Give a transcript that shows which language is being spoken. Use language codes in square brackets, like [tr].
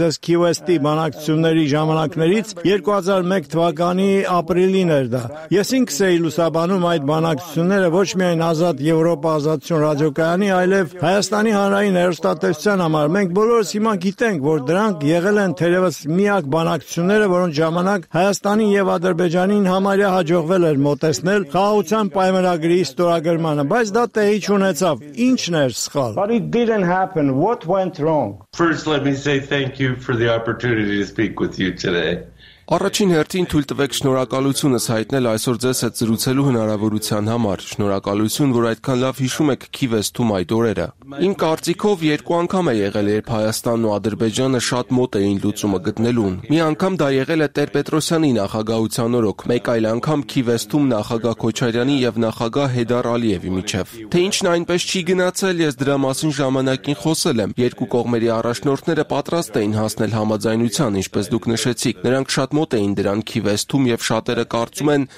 [hy] Kansas Key West-ի բանակցությունների ժամանակներից 2001 թվականի ապրիլին էր դա։ Ես ինքս էի լուսաբանում այդ բանակցությունները ոչ միայն Ազատ Եվրոպա ազատություն ռադիոկայանի, այլև Հայաստանի Հանրային Հեռուստատեսության համար։ Մենք բոլորս հիմա գիտենք, որ դրանք եղել են թերևս միակ բանակցությունները, որոնց ժամանակ Հայաստանի եւ Ադրբեջանի համարյա հաջողվել էր մոտեցնել խաղաղության պայմանագրի ստորագրմանը, բայց դա տեղի չունեցավ։ Ինչն էր սխալ։ [en] What went wrong? First, let me say thank you for the opportunity to speak with you today. [hy] Առաջին հերթին թույլ տվեք շնորհակալությունս հայտնել այսօր ձեզ հետ զրուցելու հնարավորության համար։ Շնորհակալություն, որ այդքան լավ հիշում եք Key West-ում այդ օրերը։ Իմ կարծիքով երկու անգամ է եղել, երբ Հայաստանն ու Ադրբեջանը շատ մոտ էին լուծումը գտնելուն։ Մի անգամ դա եղել է Տեր Պետրոսյանի նախագահության օրոք, մեկ այլ անգամ Key West-ում նախագահ Քոչարյանի եւ նախագահ Հեդար Ալիևի միջև։ Թե ինչն այնպես չի գնացել, ես դրա մասին ժամանակին խոսել եմ։ Երկու կողմերի առաջնորդները պատրաստ էին հասնել համաձայնության, ինչպես դուք նշեցիք։ Նրանք շատ մոտ էին դրան Key West-ում եւ շատերը կարծում են